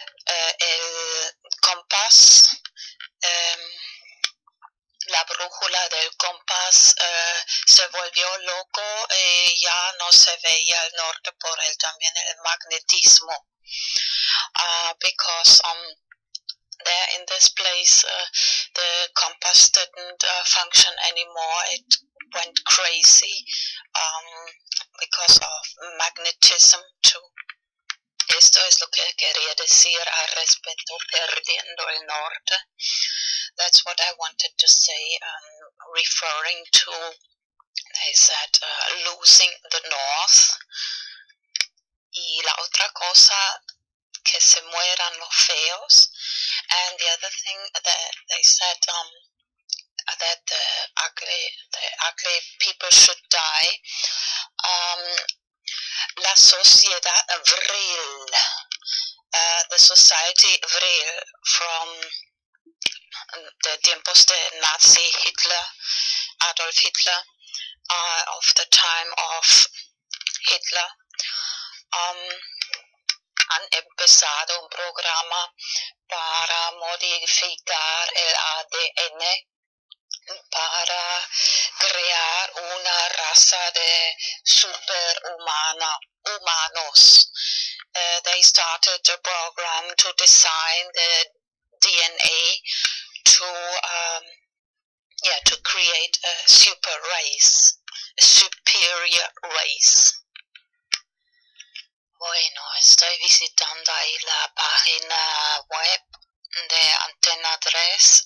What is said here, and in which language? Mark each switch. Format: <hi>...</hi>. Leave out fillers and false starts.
<es>El compás, la brújula del compás se volvió loco y ya no se veía el norte por él, también el magnetismo.</es> <en>Because there in this place the compass didn't function anymore, it went crazy because of magnetism too.</en> <es>Esto es lo que quería decir al respecto Perdiendo El Norte.</es> <en>That's what I wanted to say, referring to, they said, Losing the North.</en> <es>Y la otra cosa, que se mueran los feos.</es> <en>And the other thing that they said, that the ugly people should die.</en> <es>La sociedad Vril,</es> <en>the society Vril from the</en> <es>tiempos de Nazi Hitler, Adolf Hitler,</es> <en>of the time of Hitler,</en> <es>han empezado un programa para modificar el ADN para crear una raza de superhumanos.</es> <en>They started a program to design the DNA to create a super race, a superior race.</en> <es>Bueno, estoy visitando ahí la página web de Antena 3.</es>